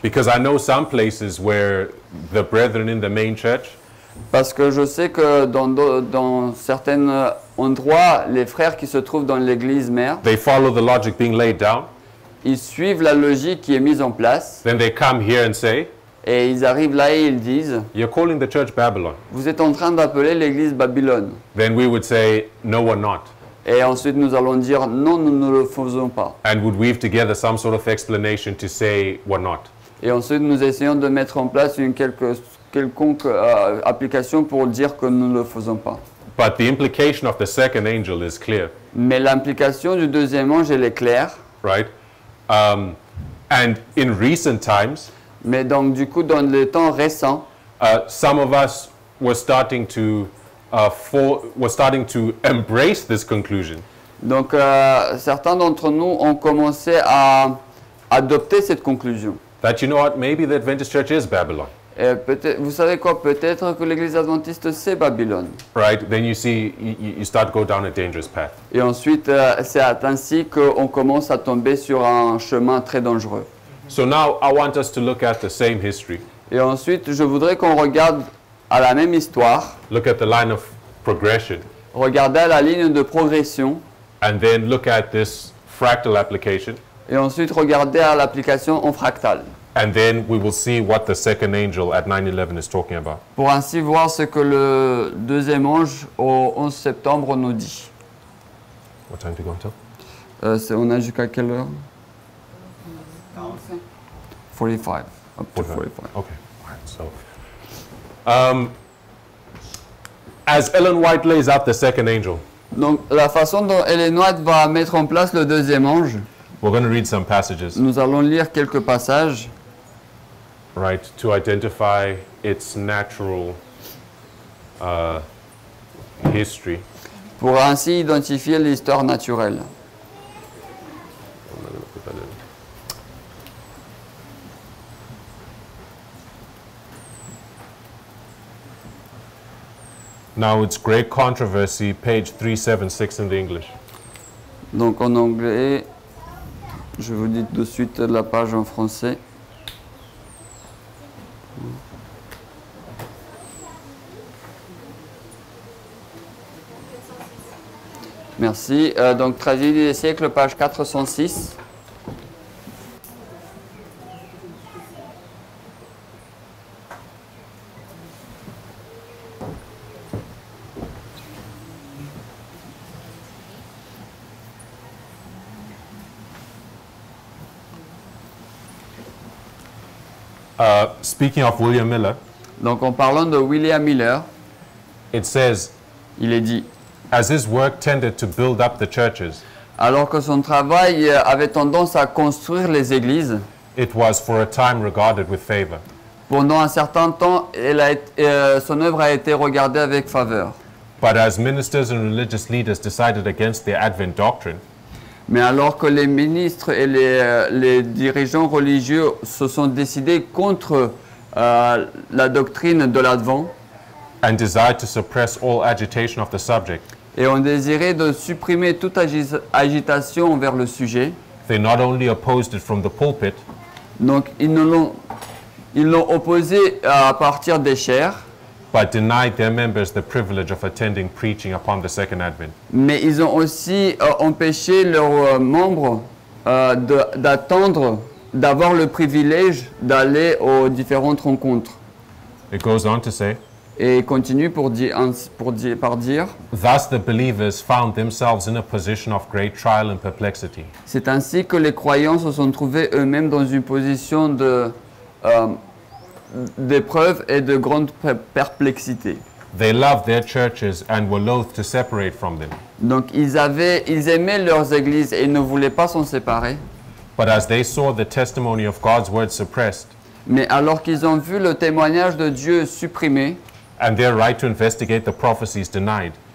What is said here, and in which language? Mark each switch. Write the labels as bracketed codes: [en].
[en] Because I know some places where the brethren in the main church. [fr] Parce que je sais que dans certains endroits, les frères qui se trouvent dans l'église mère. [en] They follow the logic being laid down. [fr] Ils suivent la logique qui est mise en place. [en] Then they come here and say. [fr] Et ils arrivent là et ils disent. [en] You're calling the church Babylon. [fr] Vous êtes en train d'appeler l'église Babylone. [en] Then we would say, no, we're not. [fr] Et ensuite, nous allons dire, non, nous ne le faisons pas. [en] And would weave together some sort of explanation to say we're not. [fr] Et ensuite, nous essayons de mettre en place une quelconque application pour dire que nous ne le faisons pas. [en] But the implication of the second angel is clear. [fr] Mais l'implication du deuxième ange, elle est claire. [en] Right. And in recent times, [fr] mais donc, du coup, dans les temps récents, [en] some of us were starting to embrace this conclusion. [fr] Donc certains d'entre nous ont commencé à adopter cette conclusion. [en] That you know what, maybe the Adventist Church is Babylon. [fr] Et vous savez quoi, peut-être que l'église adventiste c'est Babylone. [en] Right, then you see you start to go down a dangerous path. [fr] Et ensuite c'est ainsi que on commence à tomber sur un chemin très dangereux. [en] So now I want us to look at the same history. [fr] Et ensuite je voudrais qu'on regarde à la même histoire. [en] Look at the line of progression. [fr] Regardez la ligne de progression. [en] And then look at this fractal application. [fr] Et ensuite regardez à l'application en fractal. [en] And then we will see what the second angel at 9/11 is talking about. [fr] Pour ainsi voir ce que le deuxième ange au 11 septembre nous dit. [en] What time do you go until? [fr] On a jusqu'à quelle heure? [en] 45. Okay. Alright. So. As Ellen White lays out the second angel. [fr] Donc la façon dont Ellen White va mettre en place le deuxième ange. [en] We're going to read some passages. [fr] Nous allons lire quelques passages. [en] Right, to identify its natural history. [fr] Pour ainsi identifier l'histoire naturelle. [en] Now it's Great Controversy, page 376 in the English. [fr] Donc en anglais, je vous dis tout de suite la page en français. Merci. Donc Tragédie des siècles, page 406. [en] Speaking of William Miller. [fr] Donc en parlant de William Miller. [en] It says. [fr] Il est dit. [en] As his work tended to build up the churches. [fr] Alors que son travail avait tendance à construire les églises. [en] It was for a time regarded with favor. [fr] Pendant un certain temps, son œuvre a été regardée avec faveur. [en] But as ministers and religious leaders decided against the Advent doctrine. [fr] Mais alors que les ministres et les dirigeants religieux se sont décidés contre la doctrine de l'Advent [en] and desired to suppress all agitation of the subject, [fr] et ont désiré de supprimer toute agitation envers le sujet, [en] they not only opposed it from the pulpit, [fr] donc ils l'ont opposé à partir des chairs, [en] but denied their members the privilege of attending preaching upon the second advent. [fr] Mais ils ont aussi empêché leurs membres d'attendre d'avoir le privilège d'aller aux différentes rencontres. [en] It goes on to say, [fr] et continue pour dire, [en] thus the believers found themselves in a position of great trial and perplexity. [fr] C'est ainsi que les croyants se sont trouvés eux-mêmes dans une position de d'épreuve et de grande perplexité. [en] They loved their churches and were loath to separate from them. [fr] Donc ils aimaient leurs églises et ne voulaient pas s'en séparer. [en] But as they saw the testimony of God's word suppressed, [fr] mais alors qu'ils ont vu le témoignage de Dieu supprimé, [en] and their right to investigate the prophecies denied,